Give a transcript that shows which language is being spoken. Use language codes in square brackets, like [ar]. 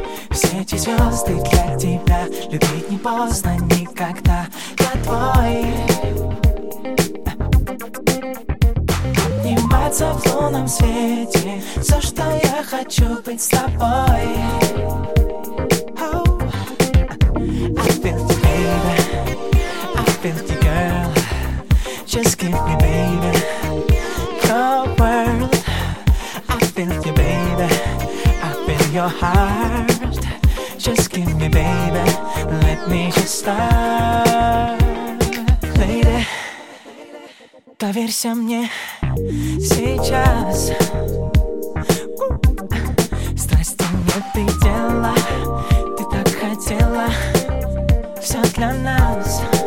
[ru] Все эти звезды для тебя, любить не поздно никогда, я твой. Обниматься в лунном свете, все, что я хочу, быть с тобой. Oh. [en] I feel you, baby, I feel you, girl. Just give me, baby, your world. I feel you, baby, I feel your heart. Just give me, baby, let me just start. [ru] Lady, доверься мне. Сейчас страсти нет и дела, ты так хотела, все для нас.